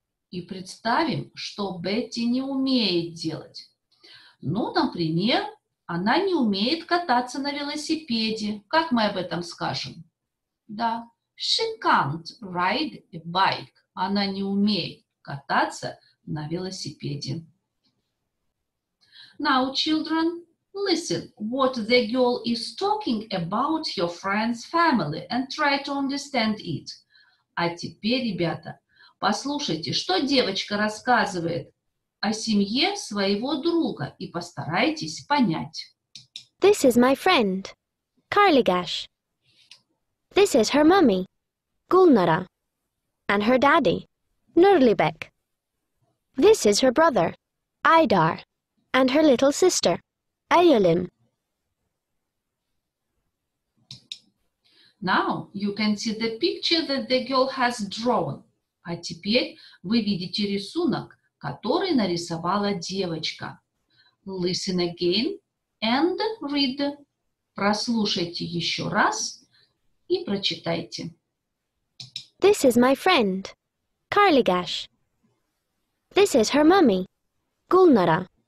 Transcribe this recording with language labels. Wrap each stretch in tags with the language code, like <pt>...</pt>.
<ru>И представим, что Бетти не умеет делать. Ну, например, она не умеет кататься на велосипеде. Как мы об этом скажем? Да.</ru> <en>She can't ride a bike.</en> <ru>Она не умеет кататься на велосипеде.</ru> <en>Now, children, listen what the girl is talking about your friend's family and try to understand it.</en> <ru>А теперь, ребята, послушайте, что девочка рассказывает о семье своего друга и постарайтесь понять.</ru> <en>This is my friend, Karligash. This is her mummy, Gulnara. And her daddy, Nurlibek. This is her brother, Aidar. And her little sister, Ayolim. Now you can see the picture that the girl has drawn.</en> <ru>А теперь вы видите рисунок, который нарисовала девочка.</ru> <en>Listen again and read.</en> <ru>Прослушайте еще раз и прочитайте.</ru> <en>This is my friend, Karligash. This is her mummy, Gulnara.</en>